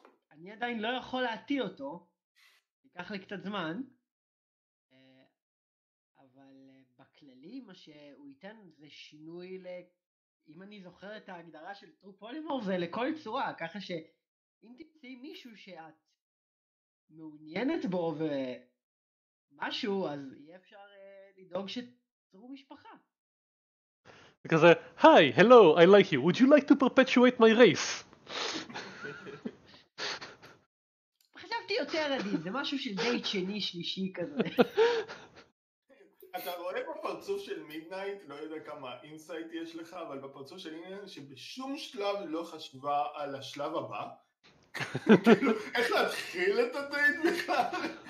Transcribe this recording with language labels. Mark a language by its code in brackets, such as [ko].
[he] אני עדיין לא יכול להטיל אותו, ייקח לי קצת זמן, אבל בכללי מה שהוא ייתן זה שינוי, אם אני זוכר את ההגדרה של טרופולימור, זה לכל צורה, ככה שאם תמצאי מישהו שאת מעוניינת בו ומשהו, אז יהיה אפשר לדאוג שתצרו משפחה. כזה, היי, הלו, [en] I like you, would you like to perpetuate my race? [he] חשבתי יותר עדיין, זה משהו של דייט שני שלישי כזה. אתה רואה בפרצוף של מידנייט, לא יודע כמה אינסייט יש לך, אבל בפרצוף של מידנייט שבשום שלב לא חשבה על השלב הבא, כאילו, איך להתחיל את הדייט בכלל?